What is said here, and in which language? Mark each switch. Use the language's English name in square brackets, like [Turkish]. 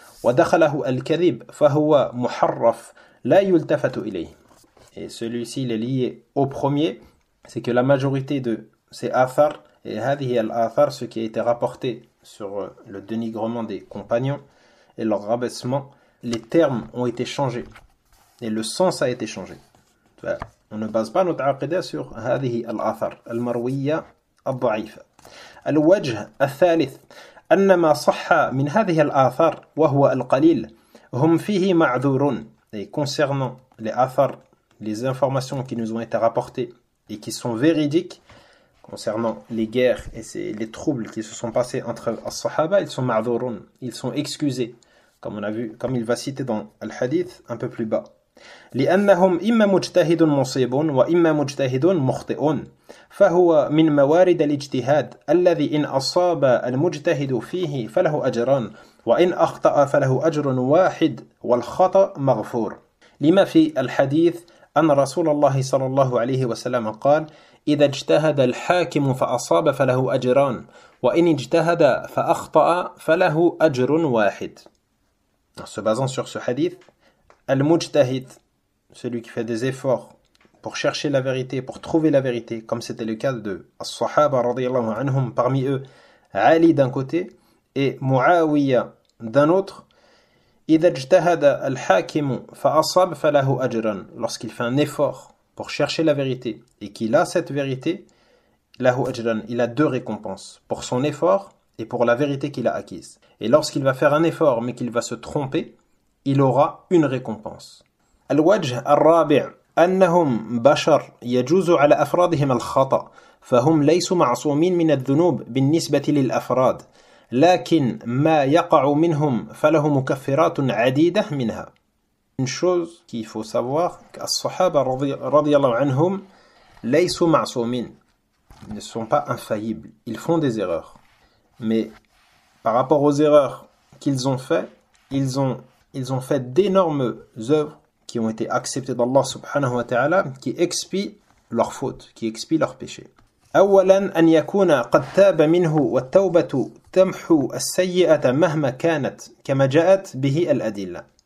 [Arabic] ودخله الكذب فهو محرف لا يلتفت إليه. [French] Et celui-ci il est lié au premier, c'est que la majorité de ces athar, et [Arabic] هذه الآثار, [French] ce qui a été rapporté sur le dénigrement des compagnons et leur rabaissement, les termes ont été changés et le sens a été changé. On ne base pas notre aqida sur [Arabic] هذه الاثر المرويه الضعيفه. الوجه الثالث ان ما صح من هذه الاثار وهو القليل هم فيه معذورون. [French] Et concernant les athars, les informations qui nous ont été rapportées et qui sont véridiques concernant les guerres et les troubles qui se sont passés entre les sahaba, ils sont ma'dhurun, ils sont excusés, comme on a vu, comme il va citer dans le hadith un peu plus bas. [Arabic] لأنهم إما مجتهد مصيب وإما مجتهد مخطئ فهو من موارد الاجتهاد الذي إن أصاب المجتهد فيه فله أجران وإن أخطأ فله أجر واحد والخطأ مغفور لما في الحديث أن رسول الله صلى الله عليه وسلم قال إذا اجتهد الحاكم فأصاب فله أجران وإن اجتهد فأخطأ فله أجر واحد. [French] Se basant sur ce hadith, Al-Mujtahid, celui qui fait des efforts pour chercher la vérité, pour trouver la vérité, comme c'était le cas de As-Sahaba radiallahu anhum, parmi eux, Ali d'un côté et Muawiya d'un autre. [Arabic] إذا اجتهد الحاكم فأصاب فله أجرا. [French] Lorsqu'il fait un effort pour chercher la vérité et qu'il a cette vérité, [Arabic] له أجرا. [French] Il a deux récompenses pour son effort et pour la vérité qu'il a acquise. Et lorsqu'il va faire un effort mais qu'il va se tromper, il aura une récompense. [Arabic] الوجه الرابع أنهم بشر يجوز على أفرادهم الخطأ فهم ليسوا معصومين من الذنوب بالنسبة للأفراد لكن ما يقع منهم فله مكفرات عديدة منها. [French] Une chose qu'il faut savoir, que les Sahaba [Arabic] رضي الله عنهم ليسوا معصومين, [French] ne sont pas infaillibles, ils font des erreurs. Mais par rapport aux erreurs qu'ils ont fait, ils ont fait d'énormes œuvres qui ont été acceptées d'Allah subhanahu wa ta'ala, qui expient leurs fautes, qui expient leurs péchés. [Arabic] أولا أن يكون قد تاب منه والتوبة تمحو السيئة مهما كانت كما جاءت به الأدلة.